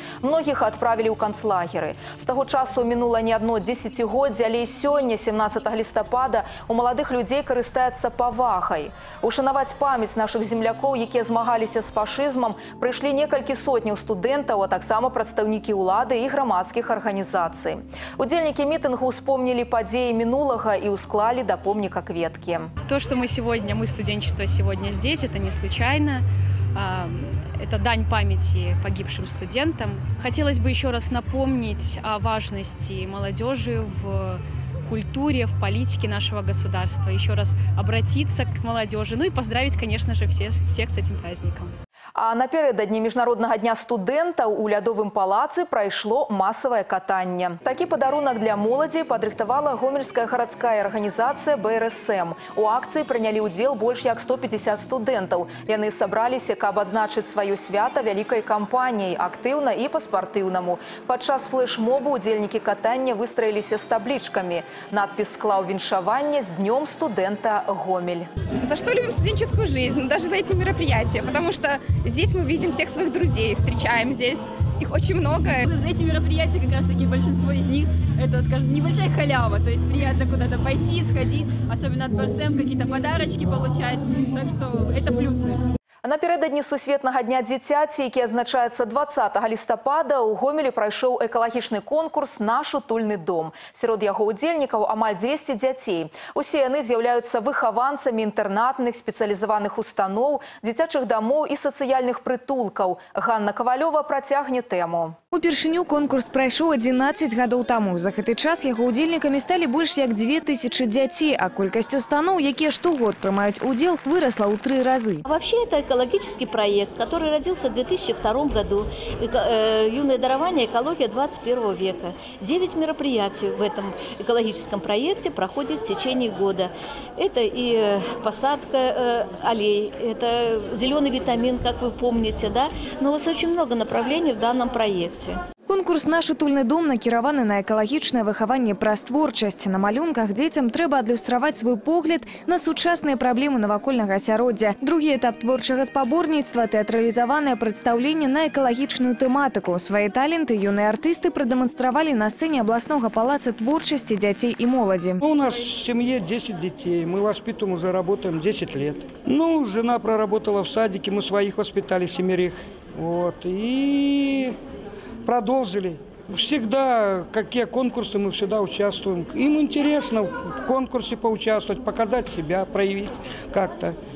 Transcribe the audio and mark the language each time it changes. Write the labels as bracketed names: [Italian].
[Belarusian] Многіх адправілі ў канцлагеры. З таго часу мінула не адно 10 годдзі, але і сёння, 17 лістапада, у маладых людзей карыстаецца павагай. Ушанаваць памяць нашых землякоў, якія змагаліся з фашызмам, прыйшлі некалькі сотняў студэнтаў, а таксама прадстаўнікі ўлады і грамадскіх арганізацый. Удзельнікі мітынгу успомнілі падзеі мінулага і ўсклалі да помніка кветкі. То, што мы сёння, мы студэнчыства [Russian] сегодня здесь, это не случайно. Это дань памяти погибшим студентам. Хотелось бы еще раз напомнить о важности молодежи в культуре, в политике нашего государства. Еще раз обратиться к молодежи, ну и поздравить, конечно же, всех с этим праздником. [Belarusian] А напередадні міжнароднага дня студэнтаў у лядовым палацы прайшло масавае катанне. Такі падарунак для моладзі падрыхтавала гомельская гарадская арганізацыя БРСМ. У акцыі прынялі ўдзел больш як 150 студэнтаў. Яны сабраліся, каб адзначыць сваё свята вялікай кампаніяй, актыўна і па-спартыўнаму. Падчас флэш-мобу удзельнікі катання выстраіліся з таблічкамі. Надпіс склаў віншаванне з днём студэнта Гомель. За што любім студэнчаскую жызнь, [Russian] даже за эти мерапрыяцтва, потому что здесь мы видим всех своих друзей, встречаем здесь их очень много. За эти мероприятия как раз-таки большинство из них это, скажем, небольшая халява. То есть приятно куда-то пойти, сходить, особенно от БРСМ, какие-то подарочки получать. Так что это плюсы. [Belarusian] Напередадні сусветнага дня дзіцяці, які адзначаецца 20 лістапада, у Гомелі прайшоў экалагічны конкурс «Наш утульны дом». Сярод яго ўдзельнікаў амаль 200 дзяцей. Усе яны з'яўляюцца выхаванцамі інтэрнатных, спецыялізаваных устаноў, дзіцячых дамоў і сацыяльных прытулкаў. Ганна Кавалёва працягне тэму. Упершыню конкурс прайшоў 11 гадоў таму. За гэты час яго ўдзельнікамі сталі больш як 2000 дзяцей, а колькасць устаноў, якія штогод прымаюць удзел, вырасла ў 3 разы. [Russian] Вообще это экологический проект, который родился в 2002 году. Юное дарование «Экология 21 века». 9 мероприятий в этом экологическом проекте проходит в течение года. Это и посадка аллей, это зеленый витамин, как вы помните, да? Но у вас очень много направлений в данном проекте. [Belarusian] Конкурс «Наш утульны дом» накіраваны на экалагічнае выхаванне праз творчасць. На малюнках дзецям трэба адлюстраваць свой погляд на сучасныя праблемы навакольнага асяроддзя. Другі этап творчага спаборніцтва – тэатралізаванае прадстаўленне на экалагічную тэматыку. Свае таленты юныя артысты прадэманстравалі на сцэне абласнога палаца творчасці дзяцей і моладзі. [Russian] У нас [Belarusian] в сям'і 10 дзяцей, [Russian] мы воспитуем і заработаем 10 лет. Ну, жена проработала в садике, мы своих воспитали 7-х. Вот, и продолжили. Всегда, какие конкурсы, мы всегда участвуем. Им интересно в конкурсе поучаствовать, показать себя, проявить как-то.